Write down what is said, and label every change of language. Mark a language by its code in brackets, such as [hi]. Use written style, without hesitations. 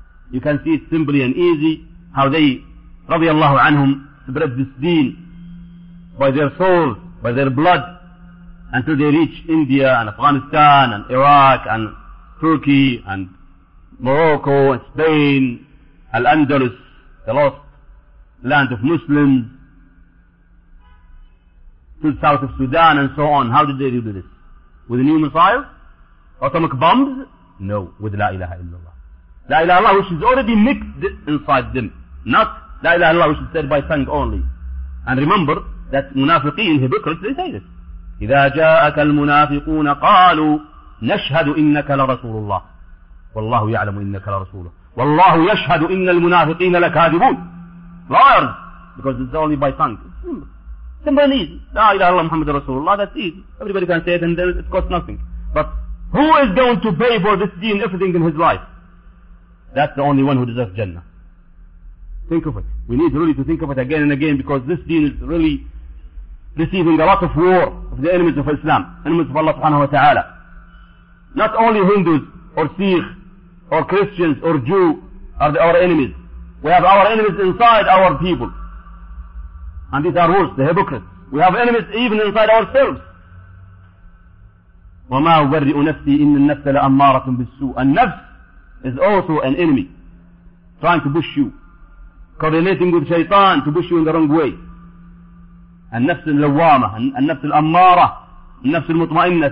[en] You can see it simply and easy how they radiallahu anhum spread this deen by their soul, by their blood, until they reach India and Afghanistan and Iraq and Turkey and Morocco and Spain, Al-Andalus, the lost land of Muslims, to the south of Sudan and so on. How did they do this? With a new missile? Atomic bombs? No, with La ilaha illallah. La ilaha illallah, which is already mixed inside them. Not La ilaha illallah, which is said by tongue only. And remember that munafiqeen, hypocrites, they say this. [ar] إذا جاءك المنافقون قالوا نشهد إنك لرسول الله والله يعلم إنك لرسوله والله يشهد إن المنافقين لكاذبون. [en] Liars, because it's only by tongue. Simple and easy. [ar] لا إله إلا محمد رسول الله. [en] That's easy. Everybody can say it and it costs nothing. But who is going to pay for this deen, everything in his life? That's the only one who deserves Jannah. Think of it. We need really to think of it again and again, because this deen is really receiving a lot of war of the enemies of Islam, enemies of Allah subhanahu wa ta'ala. Not only Hindus or Sikh or Christians or Jew are our enemies. We have our enemies inside our people. And these are worse, the hypocrites. We have enemies even inside ourselves. [ar] وَمَا أُبَرِّئُ نَفْسِي إِنَّ النَّفْسَ لَأَمَّارَةٌ بِالسُّوءِ. [en] And nafs is also an enemy trying to push you, correlating with shaitan to push you in the wrong way. [ar] النفس اللوامة النفس الأمارة النفس المطمئنة.